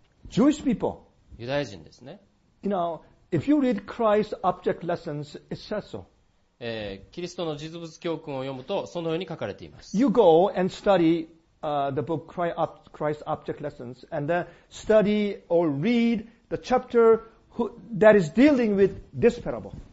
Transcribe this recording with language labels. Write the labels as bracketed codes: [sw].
[en] Jewish people. [ja] ユダヤ人ですね。 [en] You know, if you read Christ's object lessons, it says so. [ja] キリストの実物教訓を読むとそのように書かれています。 [en] You go and study, the book Christ Object Lessons and then study or read the chapter that is dealing with this parable.